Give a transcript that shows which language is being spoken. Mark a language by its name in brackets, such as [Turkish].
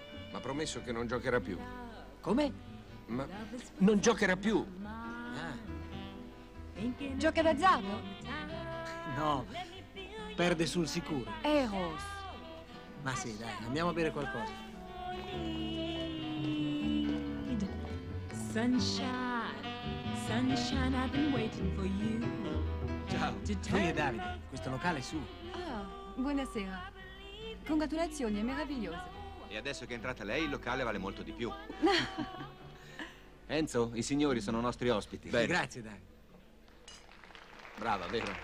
[Italian] Ma promesso che non giocherà più. Come? Ma non giocherà più. Ah. Gioca d'azzardo? No, perde sul sicuro. Eros. Ma sì, dai, andiamo a bere qualcosa. [English] Sunshine, sunshine, I've been waiting for you. [Italian] Ciao, lui è Davide, questo locale è suo. Oh, buonasera. Congratulazioni, è meraviglioso. E adesso che è entrata lei, il locale vale molto di più. Enzo, i signori sono nostri ospiti. Bene. Grazie, Davide. Brava, vero?